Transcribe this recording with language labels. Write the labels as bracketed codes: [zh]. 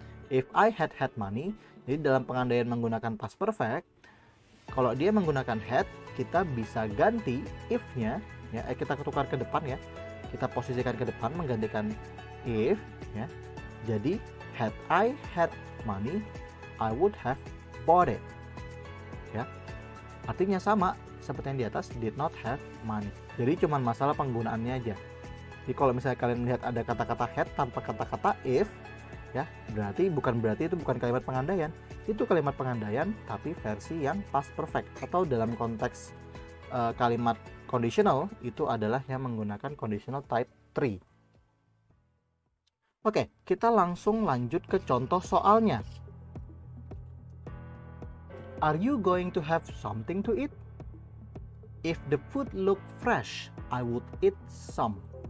[en] If I had money, [id] jadi dalam pengandaian menggunakan past perfect. Kalau dia menggunakan had, kita bisa ganti if-nya, ya, kita ketukar ke depan ya. Kita posisikan ke depan menggantikan if, ya. [en] Jadi had I had money, I would have bought it. [id] Ya. Artinya sama seperti yang di atas, [en] did not have money. [id] Jadi cuma masalah penggunaannya aja. Jadi kalau misalnya kalian melihat ada kata-kata had tanpa kata-kata if, ya, berarti itu bukan kalimat pengandaian. Itu kalimat pengandaian, tapi versi yang past perfect. Atau dalam konteks kalimat conditional, itu adalah yang menggunakan conditional type 3. Oke, kita langsung lanjut ke contoh soalnya. [en] Are you going to have something to eat? If the food look fresh, I would eat some.